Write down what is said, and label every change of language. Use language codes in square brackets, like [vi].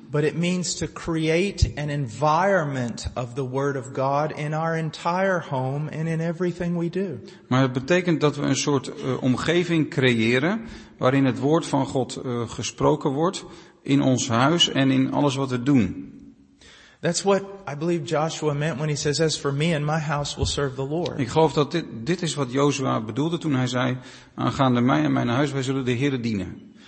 [en] But it means to create an environment of the word of God in our entire home and in everything we do. [nl] Maar het betekent dat we een soort omgeving creëren waarin het woord van God gesproken wordt in ons huis en in alles wat we doen. [en] That's what I believe Joshua meant when he says, as for me and my house will serve the Lord. [nl] Ik geloof dat dit is wat Joshua bedoelde toen hij zei, aangaande mij en mijn huis, wij zullen de Heere dienen.